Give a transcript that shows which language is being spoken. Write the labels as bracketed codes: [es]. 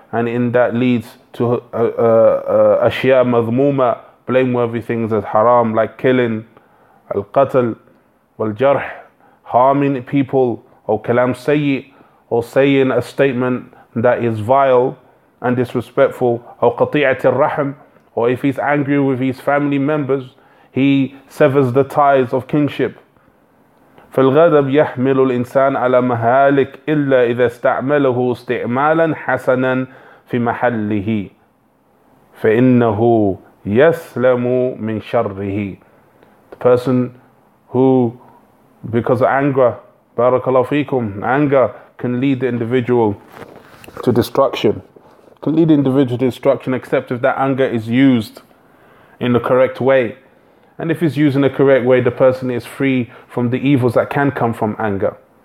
[en] And in that leads to ashiya madhmuma, blameworthy things as haram, like killing, al-qatl, wal-jarh, harming people, or kalam sayyi, or saying a statement that is vile and disrespectful, or قطيعة الرحم, or if he's angry with his family members, he severs the ties of kinship. [ar] فالغضب يحمل الإنسان على مهالك إلا إذا استعمله استعمالا حسنا في محله فإنه يسلم من شره. [en] The person who, because of anger, barakallahu fikum, anger can lead the individual to destruction. Can lead individual destruction, except if that anger is used in the correct way. And if it's used in the correct way, the person is free from the evils that can come from anger.